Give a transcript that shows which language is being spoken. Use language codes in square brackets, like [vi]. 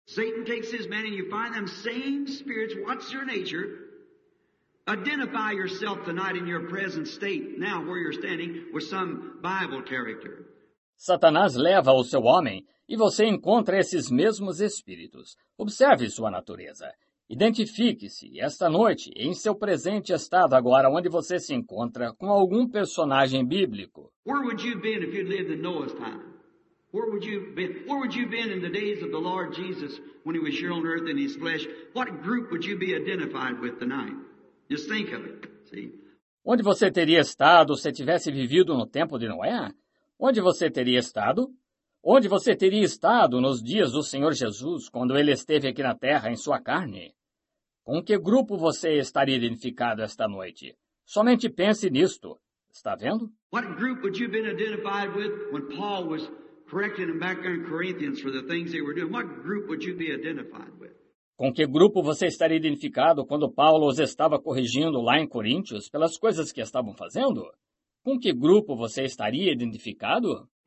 [en] Satan takes his man and you find them same spirits. What's your nature? Identify yourself tonight in your present state, now where you're standing, with some Bible character. [pt] Satanás leva o seu homem e você encontra esses mesmos espíritos. Observe sua natureza. Identifique-se esta noite em seu presente estado agora onde você se encontra com algum personagem bíblico. [en] Where would you have been if you'd lived in Noah's time? Where would you have been? Where would you have been in the days of the Lord Jesus when he was here on earth in his flesh? What group would you be identified with tonight? Just think of it. See? [pt] Onde você teria estado se tivesse vivido no tempo de Noé? Onde você teria estado? Onde você teria estado nos dias do Senhor Jesus, quando ele esteve aqui na terra em sua carne? Com que grupo você estaria identificado esta noite? Somente pense nisto. Está vendo? [en] What group would you have been identified with when Paul was correcting them back in Corinthians for the things they were doing? What group would you be identified with? [pt] Com que grupo você estaria identificado quando Paulo os estava corrigindo lá em Coríntios pelas coisas que estavam fazendo? Com que grupo você estaria identificado?